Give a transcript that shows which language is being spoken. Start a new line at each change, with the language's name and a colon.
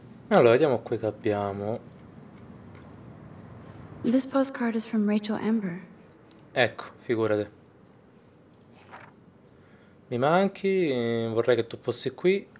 Italian: Allora, vediamo qui che abbiamo.
English: This postcard is from Rachel Amber.
Italian: Ecco, figurate. Mi manchi, vorrei che tu fossi qui.